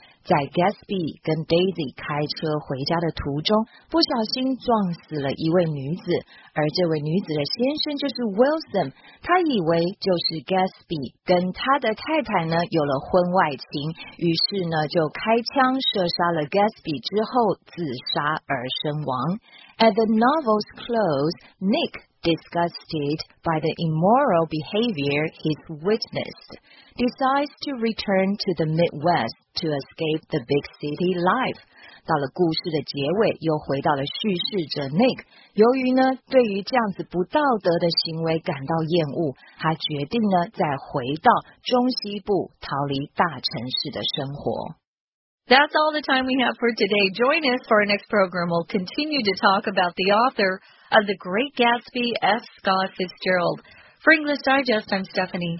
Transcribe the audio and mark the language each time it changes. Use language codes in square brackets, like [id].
[zh] 在 Gatsby 跟 Daisy 开车回家的途中，不小心撞死了一位女子，而这位女子的先生就是 Wilson， 他以为就是 Gatsby 跟他的太太呢有了婚外情，于是呢就开枪射杀了 Gatsby 之后自杀而身亡。 [en] At the novel's close, Nick, disgusted by the immoral behavior he's witnessed, decides to return to the Midwest to escape the big city life. [zh] 到了故事的结尾，又回到了叙事者 Nick， 由于呢对于这样子不道德的行为感到厌恶，他决定呢再回到中西部，逃离大城市的生活。 [en] That's all the time we have for today. Join us for our next program. We'll continue to talk about the author of The Great Gatsby, F. Scott Fitzgerald. For English Digest, I'm Stephanie.